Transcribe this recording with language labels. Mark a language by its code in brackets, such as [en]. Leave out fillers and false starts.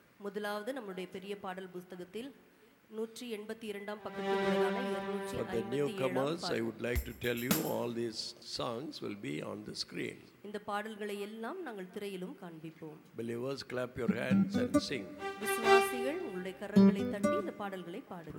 [ta] முதலாவது நம்முடைய பெரிய பாடல் புத்தகத்தில் 182 பக்கத்தில் உள்ளதான. [en] For the newcomers, I would like to tell you all these songs will be on the screen. [ta] இந்த பாடல்களை எல்லாம் நாங்கள் திரையிலும் காண்பிப்போம். [en] Believers, clap your hands and sing. [ta] விசுவாசிகள் உங்களுடைய கரங்களை தட்டி இந்த பாடல்களை பாடு.